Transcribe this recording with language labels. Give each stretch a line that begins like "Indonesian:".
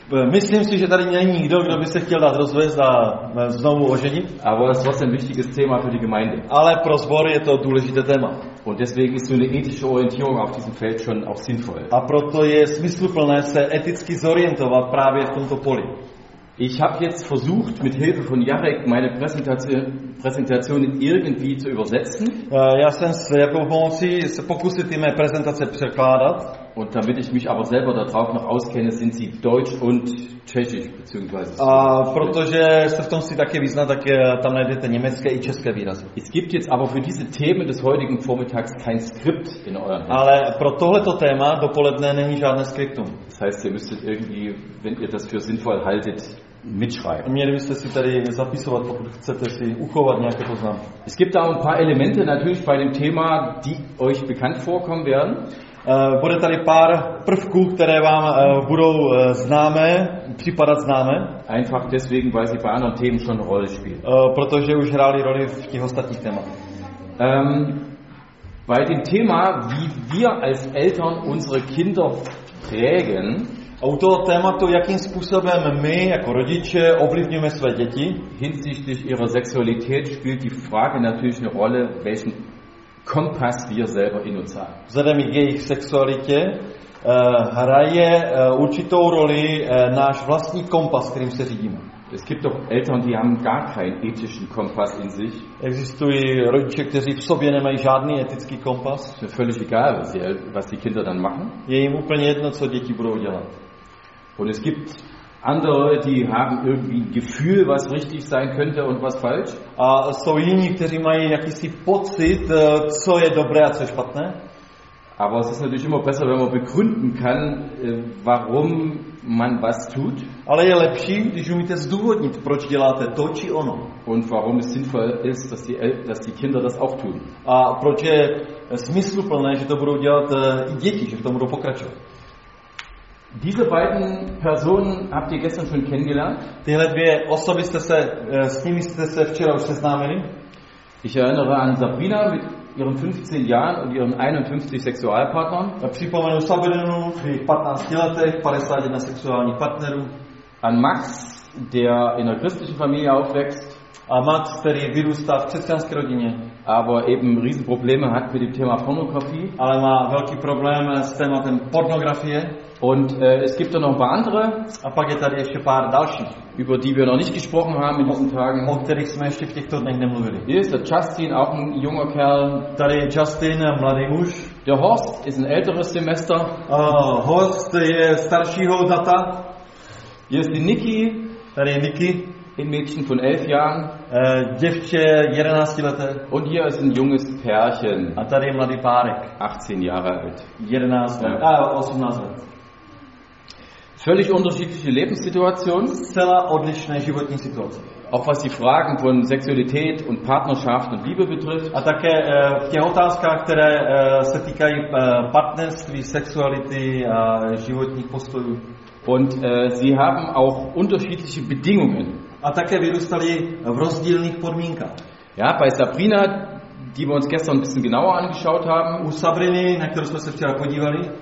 Czech: Myslím si, že tady není nikdo, kdo by se chtěl dát rozvést a znovu oženit.
German: Aber das ist trotzdem ein wichtiges Thema für die Gemeinde.
Czech: Ale pro sbor je to důležité téma.
German: Und deswegen ist so eine ethische Orientierung auf diesem Feld schon auch sinnvoll.
Czech: A proto je smysluplné se eticky zorientovat právě v tomto poli.
German: Ich habe jetzt versucht, mit Hilfe von Jarek meine Präsentation irgendwie zu übersetzen.
Czech: Já jsem se jako pomocí se pokusit mé prezentace překládat.
German: Und damit ich mich aber selber darauf noch auskenne, sind sie deutsch und tschechisch beziehungsweise.
Czech: A protože se v tom si taky vyzná, tak tam najdete německé i české výrazy.
German: Es gibt jetzt aber für diese Themen des heutigen Vormittags kein Skript in eurem.
Czech: Ale pro tohleto téma dopoledne není žádné skriptum.
German: Das heißt, ihr müsstet irgendwie, wenn ihr das für sinnvoll haltet, mitschreiben.
Czech: Měli byste si tady zapisovat, pokud chcete si uchovat nějaké poznámky.
German: Es gibt da ein paar Elemente natürlich bei dem Thema, die euch bekannt vorkommen werden.
Czech: Bude tady pár prvků, které vám budou známé, připadat známé.
German: Einfach deswegen, weil sie bei anderen Themen schon Rolle spielen.
Czech: Protože už hráli roli v těch ostatních tématech.
German: Bei dem Thema, wie wir als Eltern unsere Kinder prägen.
Czech: A u toho tématu, jakým způsobem my jako rodiče ovlivňujeme své děti.
German: Hinsichtlich ihrer Sexualität spielt die Frage natürlich eine Rolle, welchen Kompass wir selber in uns haben.
Czech: Vzhledem k jejich sexualitě hraje určitou roli náš vlastní kompas, kterým se řídíme.
German: Es gibt doch Eltern, die haben gar keinen ethischen Kompass in sich.
Czech: Existují rodiče, kteří v sobě nemají žádný etický kompas.
German: Es ist völlig egal, was die Kinder dann machen.
Czech: Je jim úplně jedno, co děti budou dělat.
German: Und es gibt andere, die haben irgendwie ein Gefühl, was richtig sein könnte und was falsch.
Czech: A jsou jiní, kteří mají jakýsi pocit, co je dobré a co je špatné.
German: Aber es ist natürlich immer besser, wenn man begründen kann, warum man was tut.
Czech: Ale je lepší, když umíte zdůvodnit, proč děláte to či ono.
German: Und warum es sinnvoll ist, dass die Kinder das auch tun.
Czech: A proč je smysluplné, že to budou dělat i děti, že v tom budou pokračovat.
German: Diese beiden Personen habt ihr gestern schon kennengelernt.
Czech: Tyhle dvě osoby jste se, s nimi jste se včera už seznámili.
German: Ich erinnere an Sabrina mit ihren 15 Jahren und ihren 51 Sexualpartnern.
Czech: A připomenu Sabrinu v 15 letech, 51 sexuálních partnerů.
German: An Max, der in einer christlichen Familie aufwächst.
Czech: A Max, který vyrůstá v křesťanské rodině.
German: Aber eben Riesenprobleme hat mit dem Thema Pornografie.
Czech: Ale má velký problém s tématem pornografie.
German: Und es gibt da noch ein paar andere,
Czech: a pak je tady ještě pár dalších,
German: über die wir noch nicht gesprochen haben in diesen Tagen.
Czech: O kterých jsme ještě v těchto dnech nemluvili.
German: Hier ist der Justin, auch ein junger Kerl.
Czech: Tady je Justin, mladý muž.
German: Der Horst ist ein älteres Semester.
Czech: Horst je staršího data.
German: Hier ist die Niki.
Czech: Tady je Niki.
German: Ein Mädchen von 11 Jahren.
Czech: Děvče 11 let.
German: Und hier ist ein junges Pärchen.
Czech: A tady je mladý párek.
German: 18 Jahre alt.
Czech: 11 let. Ja. 18 let.
German: Völlig unterschiedliche Lebenssituationen.
Czech: Zcela odlišné životní situace.
German: Auch was die Fragen von Sexualität und Partnerschaft und Liebe betrifft.
Czech: A také v těch otázkách, které se týkají partnerství, sexuality a životních postojů.
German: Und sie haben auch unterschiedliche Bedingungen.
Czech: A také vyrůstali v rozdílných podmínkách.
German: Ja, bei Sabrina, die wir uns gestern ein bisschen genauer angeschaut haben,
Czech: u Sabriny, na kterou jsme se včera podívali,